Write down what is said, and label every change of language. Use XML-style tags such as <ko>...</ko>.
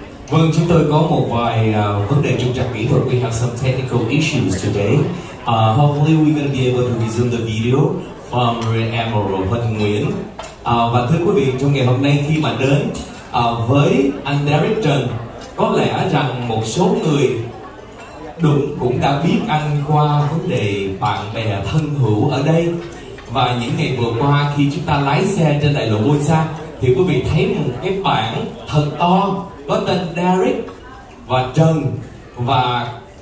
<vi>Chúng tôi có một vài vấn đề trục trặc kỹ thuật.</vi> <en>We have some technical issues today. Hopefully we're going to be able to resume the video from Rear Admiral Huân Nguyên.</en> <vi>Và thưa quý vị, trong ngày hôm nay khi mà đến với anh Derek Trần, có lẽ rằng một số người đúng cũng đã biết anh qua vấn đề bạn bè thân hữu ở đây. Và những ngày vừa qua khi chúng ta lái xe trên đại lộ Busan thì quý vị thấy một cái bảng thật to có tên Derek và Trần, và</vi>